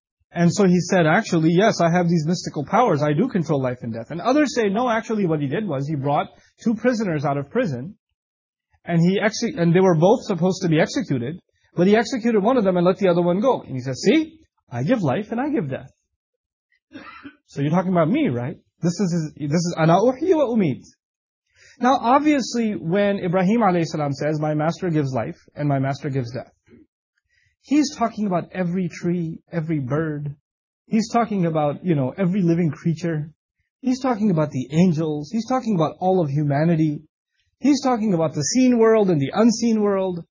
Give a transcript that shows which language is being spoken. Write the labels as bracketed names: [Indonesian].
[English] And so he said, actually, yes, I have these mystical powers, I do control life and death. And others say, no, actually what he did was, he brought two prisoners out of prison, and they were both supposed to be executed, but he executed one of them and let the other one go. And he says, see, I give life and I give death. So you're talking about me, right? This is [Arabic] أَنَا أُحْيِي وَأُمِيتُ. [English] Now obviously, when Ibrahim alayhi salam says, my master gives life and my master gives death, he's talking about every tree, every bird. He's talking about, you know, every living creature. He's talking about the angels. He's talking about all of humanity. He's talking about the seen world and the unseen world.